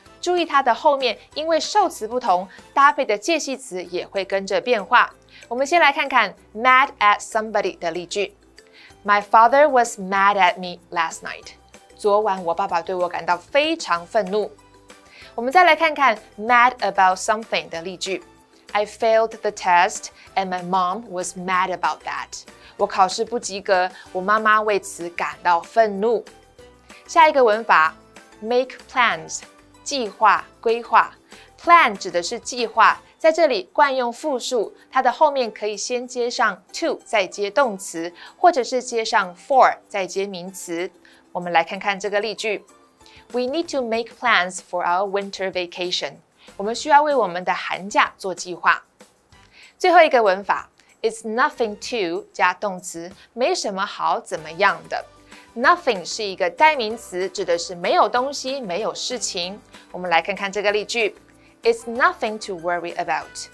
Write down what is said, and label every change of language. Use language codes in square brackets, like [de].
[zh] 注意它的后面，因为受词不同，搭配的介系词也会跟着变化。我们先来看看 [en] mad at somebody [zh] 的例句。 [en] My father was mad at me last night. [zh] 昨晚我爸爸对我感到非常愤怒。我们再来看看 mad about something 的例句。 [en] I failed the test and my mom was mad about that. [zh] 我考试不及格，我妈妈为此感到愤怒。下一个文法 make plans, 计划、规划。 Plan 指的是计划，在这里惯用复数，它的后面可以先接上 to 再接动词，或者是接上 for 再接名词。我们来看看这个例句。 [en] We need to make plans for our winter vacation. [zh] 我们需要为我们的寒假做计划。最后一个文法 It's nothing to 加动词，没什么好怎么样的。 Nothing 是一个代名词，指的是没有东西，没有事情。我们来看看这个例句。 [en] It's nothing to worry about.